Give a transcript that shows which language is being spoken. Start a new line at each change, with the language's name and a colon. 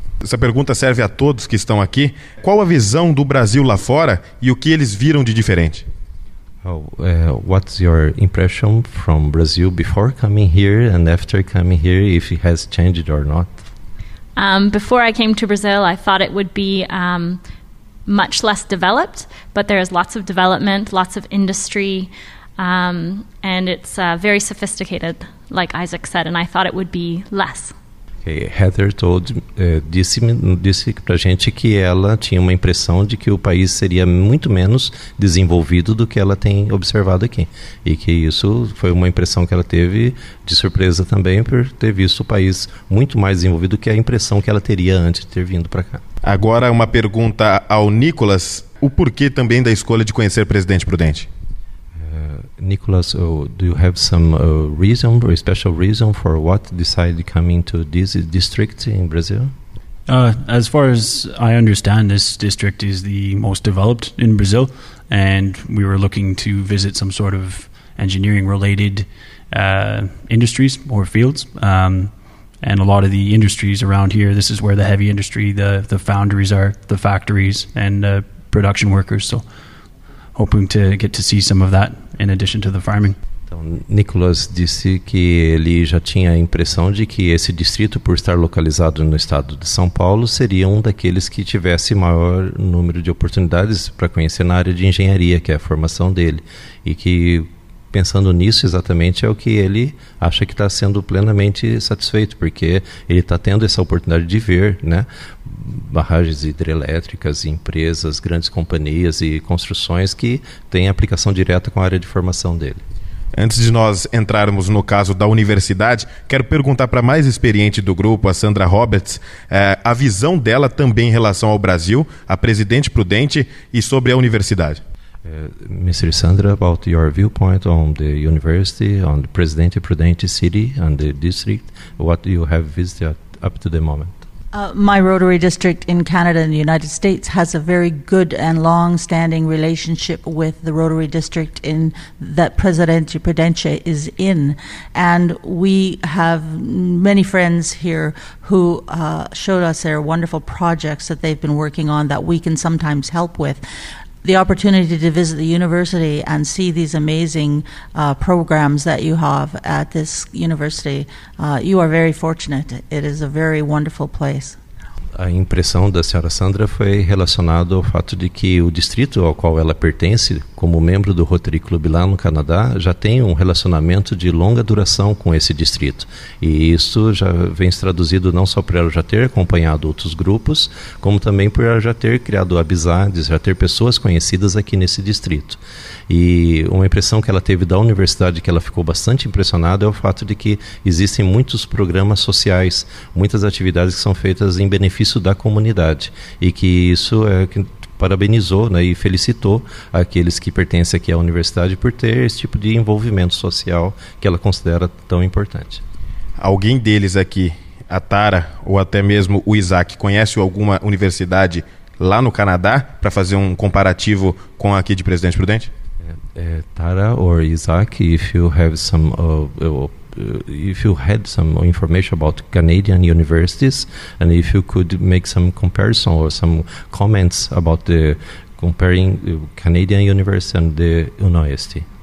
Portuguese: Essa pergunta serve a todos que estão aqui. Qual a visão do Brasil lá fora e o que eles viram de diferente?
English: What's your impression from Brazil before coming here and after coming here, if it has changed or not? Before I came to Brazil, I thought it would be much less developed, but there is lots of development, lots of industry, and it's very sophisticated, like Isaac said, and I thought it would be less.
Portuguese: Heather disse para a gente que ela tinha uma impressão de que o país seria muito menos desenvolvido do que ela tem observado aqui. E que isso foi uma impressão que ela teve de surpresa também por ter visto o país muito mais desenvolvido que a impressão que ela teria antes de ter vindo para cá. Agora uma pergunta ao Nicolas, o porquê também da escolha de conhecer Presidente Prudente.
English: Nicolas, do you have some reason or a special reason for what decided coming to this district in Brazil? As far as I understand, this district is the most developed in Brazil, and we were looking to visit some sort of engineering-related industries or fields. And a lot of the industries around here, this is where the heavy industry, the foundries are, the factories, and production workers. So hoping to get to see some of that. In addition to the farming.
Portuguese: Então, Nicolas disse que ele já tinha a impressão de que esse distrito, por estar localizado no estado de São Paulo, seria um daqueles que tivesse maior número de oportunidades para conhecer na área de engenharia, que é a formação dele. E que, pensando nisso exatamente, é o que ele acha que está sendo plenamente satisfeito, porque ele está tendo essa oportunidade de ver, né, barragens hidrelétricas, empresas, grandes companhias e construções que têm aplicação direta com a área de formação dele. Antes de nós entrarmos no caso da universidade, quero perguntar para a mais experiente do grupo, a Sandra Roberts, a visão dela também em relação ao Brasil, a Presidente Prudente e sobre a universidade.
English: Mr. Sandra, about your viewpoint on the university, on the Presidente Prudente city and the district, what you have visited up to the moment? My Rotary District in Canada and the United States has a very good and long-standing relationship with the Rotary District in that Presidente Prudente is in. And we have many friends here who showed us their wonderful projects that they've been working on that we can sometimes help with. the opportunity to visit the university and see these amazing programs that you have at this university. You are very fortunate. It is a very wonderful place.
Portuguese: A impressão da senhora Sandra foi relacionada ao fato de que o distrito ao qual ela pertence, como membro do Rotary Club lá no Canadá, já tem um relacionamento de longa duração com esse distrito. E isso já vem se traduzido não só por ela já ter acompanhado outros grupos, como também por ela já ter criado amizades, já ter pessoas conhecidas aqui nesse distrito. E uma impressão que ela teve da universidade, que ela ficou bastante impressionada, é o fato de que existem muitos programas sociais, muitas atividades que são feitas em benefício da comunidade, e que isso é que parabenizou, né, e felicitou aqueles que pertencem aqui à universidade por ter esse tipo de envolvimento social que ela considera tão importante. Alguém deles aqui, a Tara ou até mesmo o Isaac, conhece alguma universidade lá no Canadá para fazer um comparativo com aqui de Presidente Prudente?
English: Tara or Isaac, if you have some if you had some information about Canadian universities and if you could make some comparison or some comments about the comparing Canadian universities and the UNOIST.